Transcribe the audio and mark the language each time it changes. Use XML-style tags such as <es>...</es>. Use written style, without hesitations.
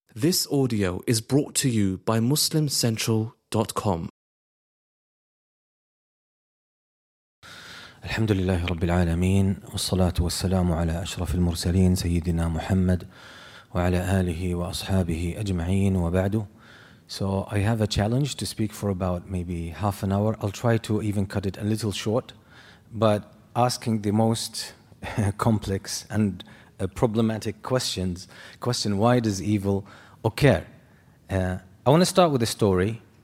<en>This audio is brought to you by MuslimCentral.com.</en> <ar>الحمد لله رب العالمين والصلاة والسلام على أشرف المرسلين سيدنا محمد وعلى آله وأصحابه أجمعين وبعد.</ar> <en>So I have a challenge to speak for about maybe half an hour. I'll try to even cut it a little short, but asking the most complex and problematic questions. Question: why does evil occur? I want to start with a story.</en>